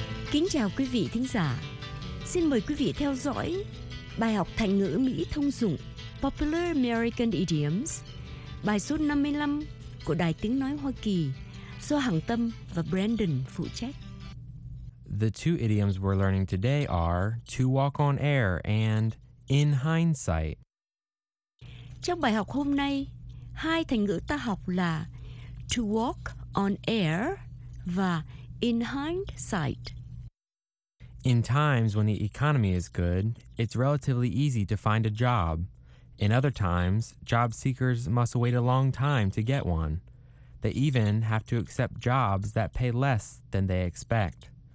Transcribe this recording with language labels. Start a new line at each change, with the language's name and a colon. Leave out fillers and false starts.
Vietnamese: Kính chào quý vị thính giả. Xin mời quý vị theo dõi bài học thành ngữ Mỹ thông dụng Popular American Idioms, bài số 55 của Đài Tiếng Nói Hoa Kỳ do Hằng Tâm và Brandon phụ trách.
English: The two idioms we're learning today are to walk on air and in hindsight.
Vietnamese: Trong bài học hôm nay, hai thành ngữ ta học là
English: to walk on air
Vietnamese: và
English: in hindsight. In times when the economy is good, it's relatively easy to find a job. In other times, job seekers must wait a long time to get one. They even have to accept jobs that pay less than they expect.